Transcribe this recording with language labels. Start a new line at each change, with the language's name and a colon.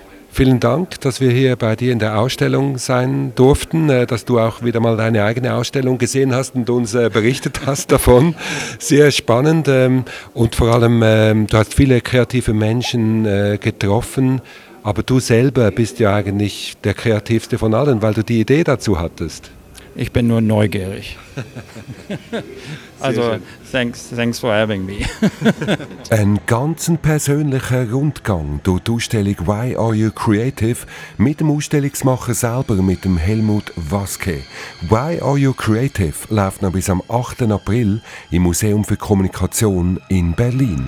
German: Vielen Dank, dass wir hier bei dir in der Ausstellung sein durften, dass du auch wieder mal deine eigene Ausstellung gesehen hast und uns berichtet hast davon. Sehr spannend und vor allem, du hast viele kreative Menschen getroffen, aber du selber bist ja eigentlich der kreativste von allen, weil du die Idee dazu hattest. Ich bin nur neugierig.
English: Also, thanks for having me.
German: Ein ganzen persönlicher Rundgang durch die Ausstellung «Why are you creative?» mit dem Ausstellungsmacher selber, mit dem Helmut Waske. «Why are you creative?» läuft noch bis am 8. April im Museum für Kommunikation in Berlin.